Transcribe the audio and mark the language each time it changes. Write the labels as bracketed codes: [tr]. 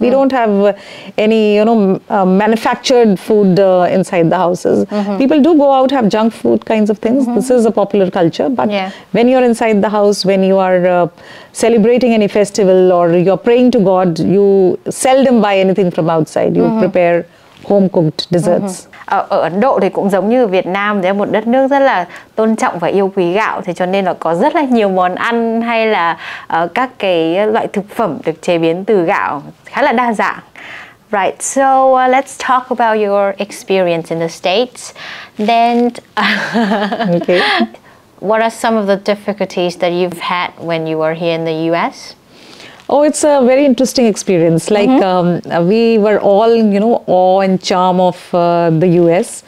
[en] We don't have any, you know, manufactured food inside the houses. People do go out, have junk food kinds of things. This is a popular culture. But when you're inside the house, when you are celebrating any festival or you're praying to God, you seldom buy anything from outside. You prepare home-cooked desserts. [vi] Ở Ấn Độ thì cũng giống như Việt Nam, đấy là một đất nước rất là tôn trọng và yêu quý gạo, thế cho nên là có rất là nhiều món ăn hay là các cái loại thực phẩm được chế biến từ gạo khá là đa dạng. [en] Right, so let's talk about your experience in the States. Then, what are some of the difficulties that you've had when you were here in the US? Oh, it's a very interesting experience. Like we were all, you know, awe and charm of the US.